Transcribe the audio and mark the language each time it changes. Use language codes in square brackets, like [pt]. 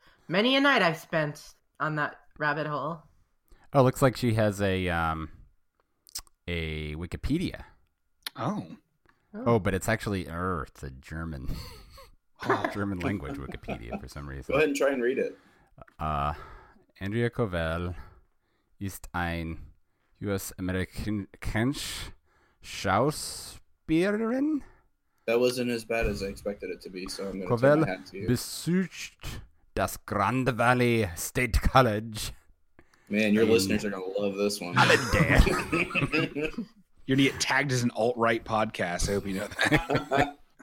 [en] Many a night I've spent on that rabbit hole. Oh, looks like she has a Wikipedia. Oh. Oh, but it's actually it's a German German language Wikipedia for some reason. Go ahead and try and read it. [de] Andrea Covell ist ein US-amerikanische Schauspielerin. [en] That wasn't as bad as I expected it to be, so I'm going to turn my hat to you. [de] Besucht das Grand Valley State College. [en] Man, your listeners are going to love this one. I'm a dad. You're going to get tagged as an alt-right podcast. I hope you know that.